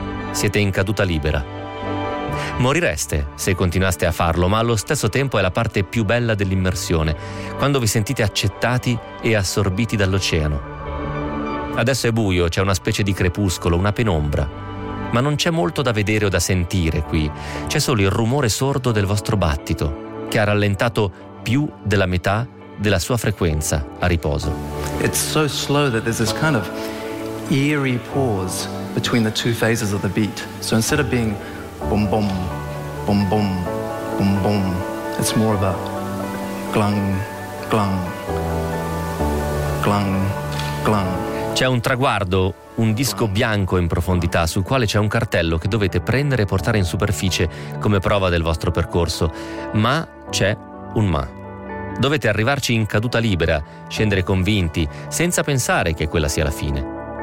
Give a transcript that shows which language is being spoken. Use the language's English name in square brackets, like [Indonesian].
[Italian] Siete in caduta libera. Morireste se continuaste a farlo, ma allo stesso tempo è la parte più bella dell'immersione, quando vi sentite accettati e assorbiti dall'oceano. Adesso è buio, c'è una specie di crepuscolo, una penombra. Ma non c'è molto da vedere o da sentire qui. C'è solo il rumore sordo del vostro battito, che ha rallentato più della metà della sua frequenza a riposo. [English] It's so slow that there's this kind of eerie pause between the two phases of the beat. So instead of being boom boom, boom boom, boom boom, it's more of a glung, glung, glung, glung. [Italian] C'è un traguardo, un disco bianco in profondità sul quale c'è un cartello che dovete prendere e portare in superficie come prova del vostro percorso. Ma c'è un ma. Dovete arrivarci in caduta libera, scendere convinti, senza pensare che quella sia la fine.